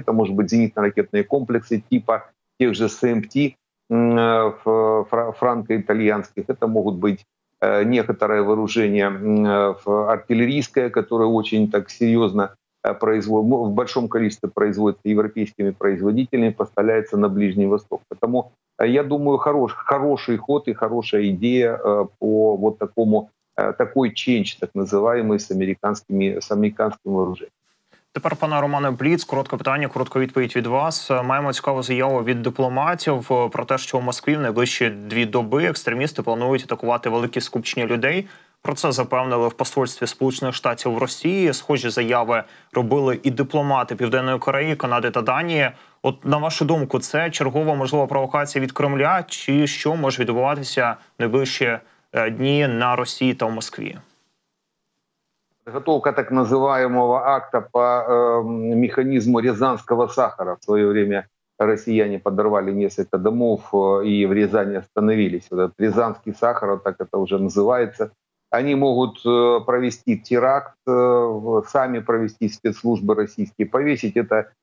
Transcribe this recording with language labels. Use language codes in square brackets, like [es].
[ru] Это может быть зенитно-ракетные комплексы типа тех же СМТ, франко-итальянских, это могут быть некоторое вооружение артиллерийское, которое очень так серьезно в большом количестве производится европейскими производителями, поставляется на Ближний Восток. Поэтому я думаю, хороший ход и хорошая идея по вот такой ченч, так называемый, с американским вооружением. [uk] Тепер, пане Романе Бліц, коротке питання, коротка відповідь від вас. Маємо цікаву заяву від дипломатів про те, що у Москві в найближчі дві доби екстремісти планують атакувати великі скупчення людей. Про це запевнили в посольстві Сполучених Штатів в Росії. Схожі заяви робили і дипломати Південної Кореї, Канади та Данії. От, на вашу думку, це чергова можлива провокація від Кремля, чи що може відбуватися в найближчі дні на Росії та в Москві? [ru] Подготовка так называемого акта по механизму рязанского сахара. В свое время россияне подорвали несколько домов и в Рязани остановились. Вот этот рязанский сахар, вот так это уже называется. Они могут провести теракт, сами провести спецслужбы российские, повесить это.